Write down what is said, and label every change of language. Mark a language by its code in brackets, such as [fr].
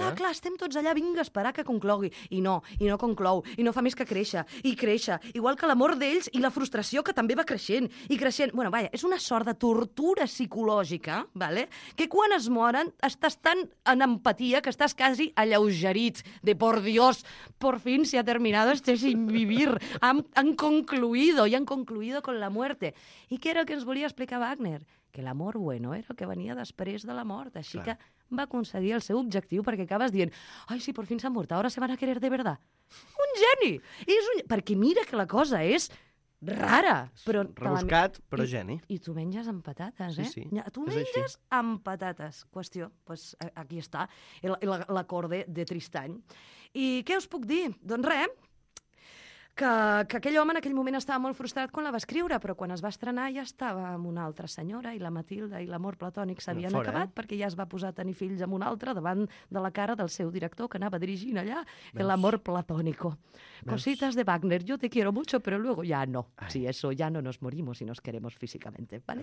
[ca] Clar, clar, estem tots allà, vinga, esperar que conclogui. I no conclou, i no fa més que créixer, i créixer. Igual que l'amor d'ells i la frustració que també va creixent, i creixent. Bueno, vaja, és una sort de tortura psicològica, ¿vale? Que quan es moren estàs tan en empatia que estàs quasi alleugerit. [es] De por Dios, por fin se ha terminado este sin vivir. Han concluido, y han concluido con la muerte. [ca] I què era el que ens volia explicar Wagner? Que l'amor bueno era el que venia després de la mort. Així que va aconseguir el seu objectiu perquè acabes dient «Ai, si [es] por fin [ca] s'ha mort, ara [es] se van a querer de verdad». [ca] Un geni! És un... Perquè mira que la cosa és rara. Però rebuscat, però geni. I tu menges amb patates, eh? Sí, sí. Tu menges amb patates. Qüestió. Pues aquí està l'acord de Tristany. I què us puc dir? Doncs res, que aquell home en aquell moment estava molt frustrat quan la va escriure, però quan es va estrenar ja estava amb una altra senyora i la Matilda i l'amor platònic s'havien acabat perquè ja es va posar a tenir fills amb un altre davant de la cara del seu director que anava dirigint allà l'amor platónico. [es] Cositas de Wagner, yo te quiero mucho, pero luego ya no. Ay. Si eso, ya no nos morimos y nos queremos físicamente, ¿vale?